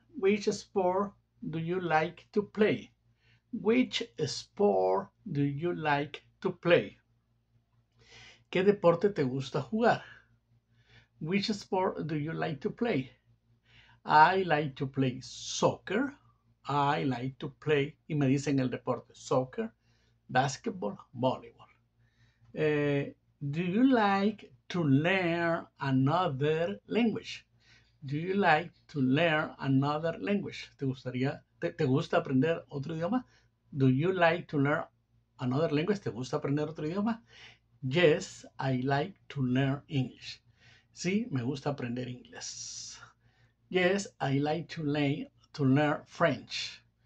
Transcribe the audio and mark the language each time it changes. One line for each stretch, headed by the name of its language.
English: Which sport do you like to play? Which sport do you like to play?
Spanish: ¿Qué deporte te gusta jugar?
English: Which sport do you like to play? I like to play soccer. I like to play.
Spanish: Y me dicen el deporte.
English: Soccer, basketball, volleyball. Do you like to learn another language? Do you like to learn another language?
Spanish: ¿Te gustaría, te gusta aprender otro idioma?
English: Do you like to learn another language?
Spanish: ¿Te gusta aprender otro idioma?
English: Yes, I like to learn English.
Spanish: Sí, me gusta aprender inglés.
English: Yes, I like to learn French.